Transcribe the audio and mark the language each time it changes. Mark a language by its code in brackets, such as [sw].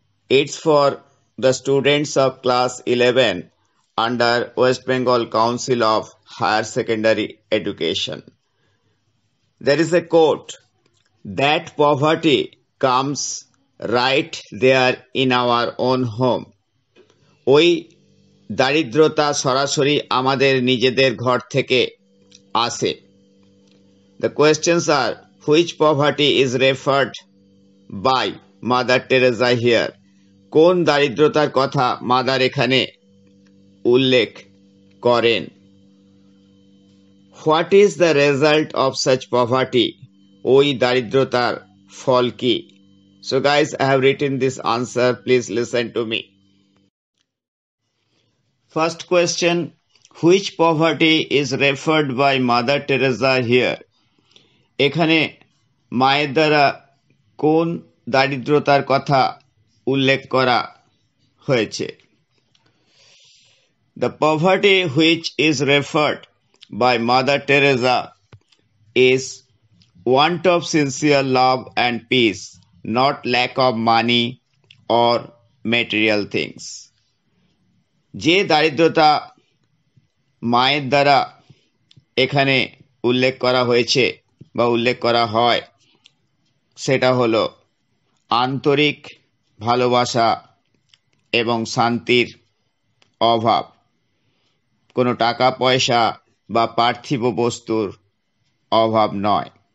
[en] It's for the students of class 11 under West Bengal Council of Higher Secondary Education. There is a quote, "That poverty comes right there in our own home." We [bn] দারিদ্রতা সরাসরি আমাদের নিজেদের ঘর থেকে আসে. [en] The questions are, which poverty is referred by Mother Teresa here? [bn] কোন দারিদ্রতার কথা মাদার এখানে উল্লেখ করেন? [en] What is the result of such poverty? [bn] ওই দারিদ্রতার ফল কি? [en] So guys, I have written this answer. Please listen to me. First question, which poverty is referred by Mother Teresa here? [bn] Ekhane maer dara kon daridrotar kotha ullekh kora hoyeche? [en] The poverty which is referred by Mother Teresa is want of sincere love and peace, not lack of money or material things. [bn] যে দারিদ্রতা মায়ের দ্বারা এখানে উল্লেখ করা হয়েছে বা উল্লেখ করা হয় সেটা হলো আন্তরিক ভালোবাসা এবং শান্তির অভাব, কোনো টাকা পয়সা বা পার্থিব বস্তুর অভাব নয়।